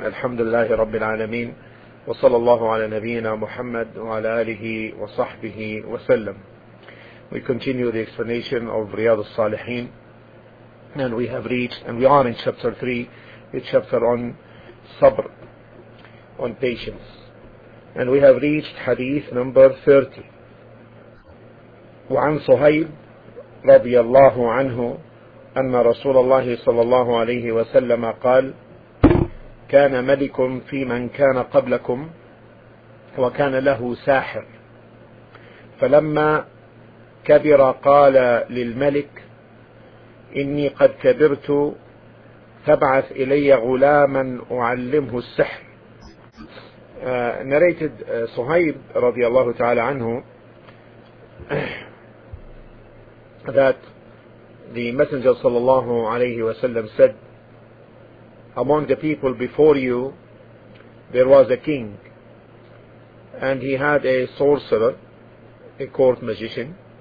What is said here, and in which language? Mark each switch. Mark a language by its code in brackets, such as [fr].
[ar] الحمد لله رب العالمين، وصلى الله على نبينا محمد وعلى آله وصحبه وسلم. [en] We continue the explanation of Riyad al-Salihin, and we have reached, and we are in chapter 3, the chapter on sabr, on patience. And we have reached hadith number 30. [ar] وعن صهيب رضي الله عنه أن رسول الله صلى الله عليه وسلم قال كان ملك في من كان قبلكم وكان له ساحر فلما كبر قال للملك إني قد كبرت فابعث إلي غلاما أعلمه السحر. [en] Narrated صهيب [ar] رضي الله تعالى عنه [en] that the Messenger sallallahu alayhi wa sallam said, among the people before you there was a king, and he had a sorcerer, a court magician.